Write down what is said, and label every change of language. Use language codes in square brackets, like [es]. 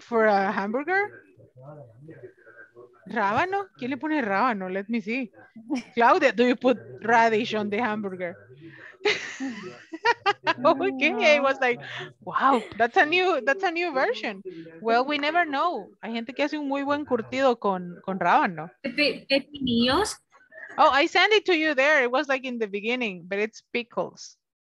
[en] For a hamburger? [es] Rábano? ¿Quién le pone rábano? [en] Let me see. Claudia, do you put radish on the hamburger? Okay, I was like, wow, that's a new version. Well, we never know. [es] Hay gente que hace un muy buen curtido con rábano. Pepinillos. [en] Oh, I sent it to you there. It was like in the beginning, but it's pickles.